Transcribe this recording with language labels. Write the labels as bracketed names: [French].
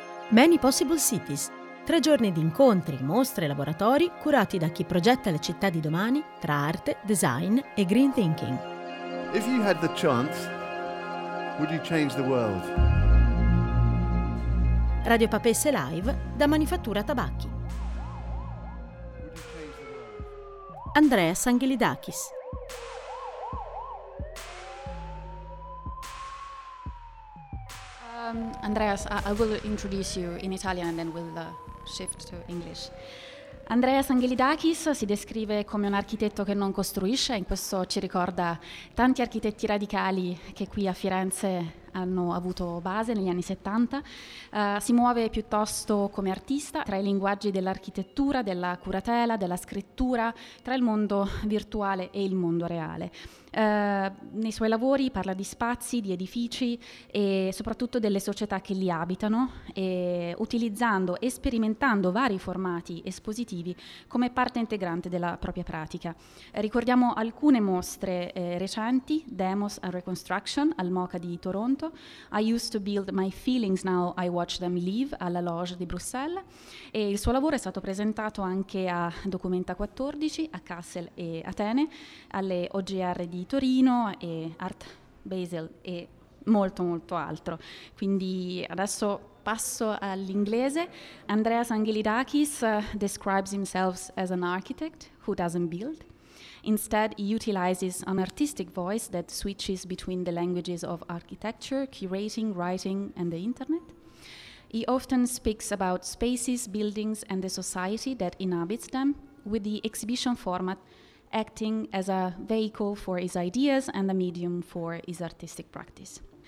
[Italian] Many Possible Cities, 3 giorni di incontri, mostre e laboratori curati da chi progetta le città di domani tra arte, design e green thinking. [English] If you had the chance, would you change the world? [Italian] Radio Papesse Live da Manifattura Tabacchi. Andrea Sangelidakis. [English] Andreas, I will introduce you in Italian and then we'll shift to English. [Italian] Andreas Angelidakis si descrive come un architetto che non costruisce, in questo ci ricorda tanti architetti radicali che qui a Firenze hanno avuto base negli anni 70. Si muove piuttosto come artista tra i linguaggi dell'architettura, della curatela, della scrittura, tra il mondo virtuale e il mondo reale. Nei suoi lavori parla di spazi, di edifici e soprattutto delle società che li abitano, e utilizzando e sperimentando vari formati espositivi come parte integrante della propria pratica. Ricordiamo alcune mostre recenti: Demos and Reconstruction al MoCA di Toronto, I Used to Build My Feelings, Now I Watch Them Leave alla Loge di Bruxelles, e il suo lavoro è stato presentato anche a Documenta 14, a Kassel e Atene, alle OGR di Torino e Art Basel e molto molto altro. Quindi adesso passo all'inglese. [English] Andreas Angelidakis describes himself as an architect who doesn't build. Instead, he utilizes an artistic voice that switches between the languages of architecture, curating, writing and the internet. He often speaks about spaces, buildings and the society that inhabits them with the exhibition format acting as a vehicle for his ideas and a medium for his artistic practice.